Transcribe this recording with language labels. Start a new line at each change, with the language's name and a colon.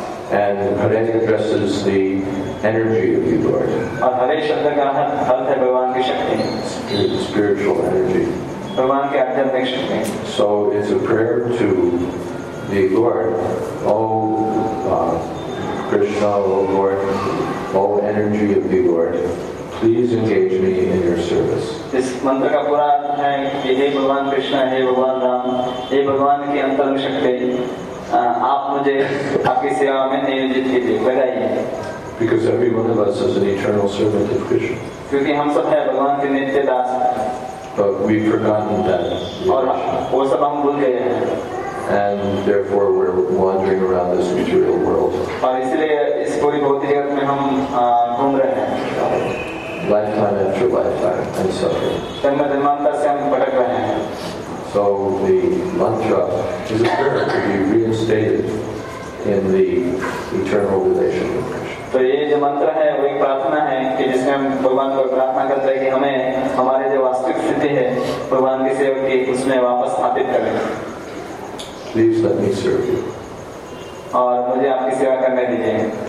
English: And Hare addresses the energy of the Lord. Spiritual energy. So it's a prayer to the Lord, O Krishna, O Lord, O energy of the Lord, Please engage me in your service.
Hindi: इस मंत्र का पूरा अर्थ है कि हे भगवान कृष्ण, हे भगवान राम, हे भगवान की अंतरंग शक्ति, आप मुझे आपकी सेवा में नियोजित कीजिए, बधाई.
English: Because every one of us is an eternal servant of Krishna.
Hindi: क्योंकि हम सब हैं भगवान के नित्य दास.
English: But we've forgotten that.
Hindi: और वो सब हम भूल गए हैं.
English: And therefore, we're wandering around this material world.
Hindi: और इसलिए इस पूरी भौतिक जगत में हम घूम रहे हैं.
English: Lifetime after lifetime and suffering.
Hindi: जन्म जन्मांतर से हम भटक रहे हैं.
English: So the mantra is a prayer to be reinstated in the eternal relation with Krishna.
Hindi: तो ये जो मंत्र है वो एक प्रार्थना है कि जिसमें हम भगवान को प्रार्थना करते हैं कि हमें हमारे जो वास्तविक स्थिति है भगवान की सेवा की उसमें वापस स्थापित करें.
English: Please let me serve you.
Hindi: और मुझे आपकी सेवा करने दीजिए.